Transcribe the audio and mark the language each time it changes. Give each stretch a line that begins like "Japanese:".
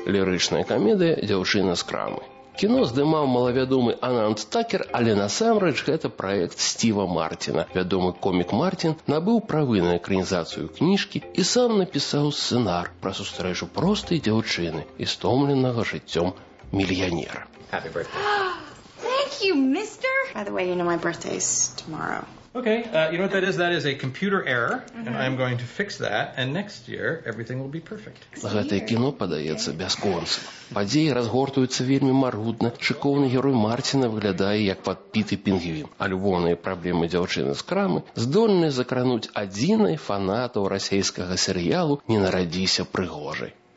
Belarusian: Лірычная камедыя «Дзяўчына з крамы». Кіно здымаў малавядомы Ананд Такер, але насамрэч гэта праект Стіва Мартіна. Вядомы комік Мартін набыў правы на экранізацыю кніжкі і сам напісаў сцэнар пра сустрэчу простай дзяўчыны і стомленага жыццём мільянера.
English: Happy birthday. Thank you, mister. By the way, you know my birthday is tomorrow. Okay, you know what that is? That is a computer error, and I'm going to fix that, and next year everything will be perfect.
Belarusian: Гэтае кіно падаецца бясконцым. Падзеі разгортуюцца вельмі маргутна. Шыкоўны герой Марціна выглядае як падпіты пінгвін. А любоўныя праблемы дзяўчыны з крамы здольны закрануць адзінай фанатаў расійскага серыялу «Не нарадзіся прыгожай».